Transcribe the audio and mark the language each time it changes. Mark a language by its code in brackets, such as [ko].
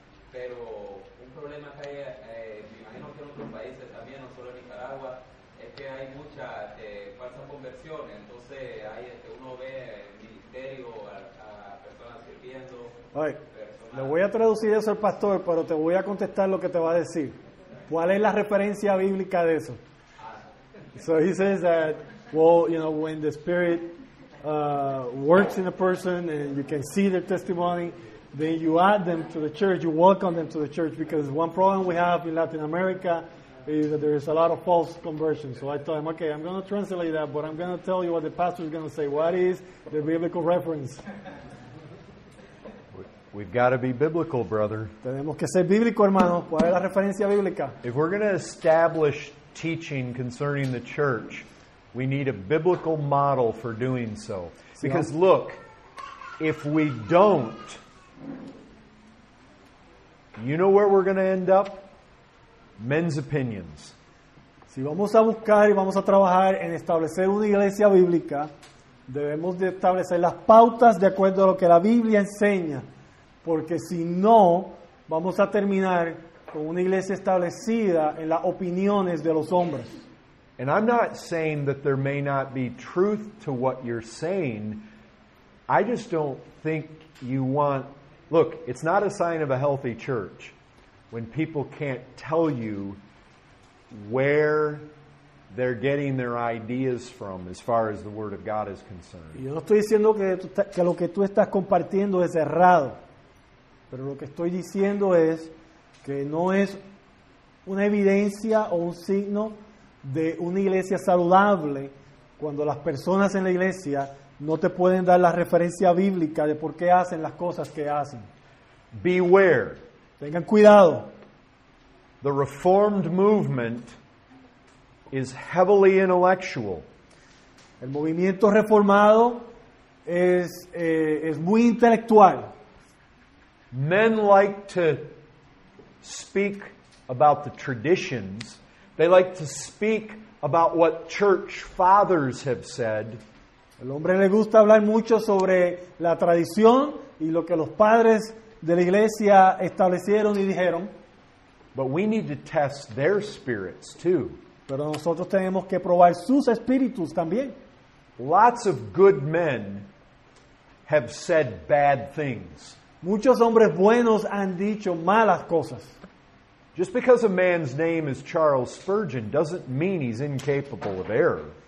[es] Pero un problema que hay, me imagino que en otros países también, no solo en Nicaragua, es que hay muchas falsas conversiones. Entonces hay uno ve ministerio a personas sirviendo. Oye, le voy a traducir eso al pastor, pero te voy a contestar lo que te va a decir. ¿Cuál es la referencia bíblica de eso? [en] So he says that, well, you know, when the Spirit works in a person and you can see their testimony, then you add them to the church, you welcome them to the church, because one problem we have in Latin America is that there is a lot of false conversion. So I told him, okay, I'm going to translate that, but I'm going to tell you what the pastor is going to say. What is the biblical reference? We've got to be biblical, brother. [es] Tenemos que ser bíblico, hermano. ¿Cuál es la referencia bíblica? [en] If we're going to establish teaching concerning the church, we need a biblical model for doing so. Because look, if we don't, you know where we're going to end up? Men's opinions. [es] Si vamos a buscar y vamos a trabajar en establecer una iglesia bíblica, Debemos de establecer las pautas de acuerdo a lo que la Biblia enseña, porque si no, vamos a terminar con una iglesia establecida en las opiniones de los hombres. [en] And I'm not saying that there may not be truth to what you're saying. I just don't think you want... Look, it's not a sign of a healthy church when people can't tell you where they're getting their ideas from as far as the Word of God is concerned. [es] Yo no estoy diciendo que lo que tú estás compartiendo es errado. Pero lo que estoy diciendo es que no es una evidencia o un signo de una iglesia saludable cuando las personas en la iglesia no te pueden dar la referencia bíblica de por qué hacen las cosas que hacen. [en] Beware. [es] Tengan cuidado. [en] The Reformed movement is heavily intellectual. [es] El movimiento reformado es muy intelectual. [en] Men like to speak about the traditions. They like to speak about what church fathers have said. [es] El hombre le gusta hablar mucho sobre la tradición y lo que los padres de la iglesia establecieron y dijeron. [en] But we need to test their spirits too. [es] Pero nosotros tenemos que probar sus espíritus también. [en] Lots of good men have said bad things. [es] Muchos hombres buenos han dicho malas cosas. [en] Just because a man's name is Charles Spurgeon doesn't mean he's incapable of error.